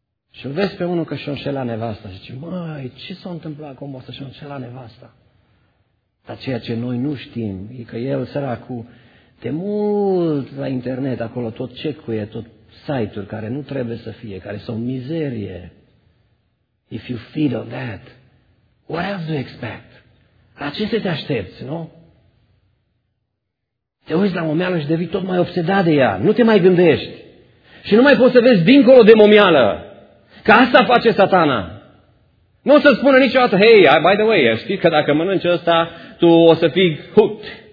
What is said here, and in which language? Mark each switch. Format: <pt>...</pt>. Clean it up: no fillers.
<ro>Și-l vezi pe unul că și-o înșela nevasta și zice, măi, ce s-a întâmplat cu omul ăsta și-o înșela nevasta? Dar ceea ce noi nu știm e că el, săracul, de mult la internet, acolo tot check-uie, tot site-uri care nu trebuie să fie, care sunt mizerie.</ro> <en>If you feed on that, what else do you expect?</en> <ro>La ce să te aștepți, nu? Te uiți la momeală și devii tot mai obsedat de ea. Nu te mai gândești. Și nu mai poți să vezi dincolo de momeală. Că asta face satana. Nu o să-ți spună niciodată,</ro> <en>hey, by the way,</en> <ro>știi că dacă mănânci ăsta, tu o să fii hooked.</ro>